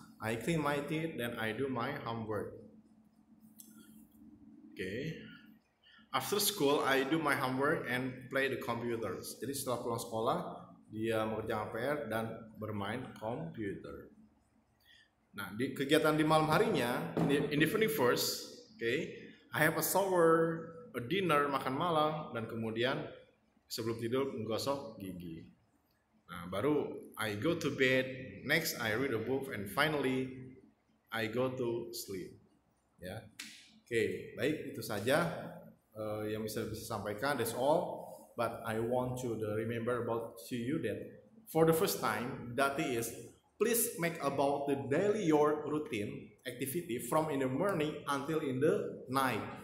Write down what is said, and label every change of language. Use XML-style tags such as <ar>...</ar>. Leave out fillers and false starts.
<en>I clean my teeth, then I do my homework. Okay. After school, I do my homework and play the computers.</en> <id>Jadi setelah pulang sekolah, dia mengerjakan PR dan bermain komputer. Nah, di kegiatan di malam harinya,</id> <en>in the 21st, okay, I have a shower, a dinner,</en> <id>makan malam, dan kemudian sebelum tidur menggosok gigi. Nah, baru</id> <en>I go to bed, next I read a book, and finally I go to sleep.</en> <id>Ya. Oke, baik, itu saja yang bisa sampaikan,</id> <en>that's all. But I want to remember about to you that for the first time, that is, please make about the daily your routine activity from in the morning until in the night.</en>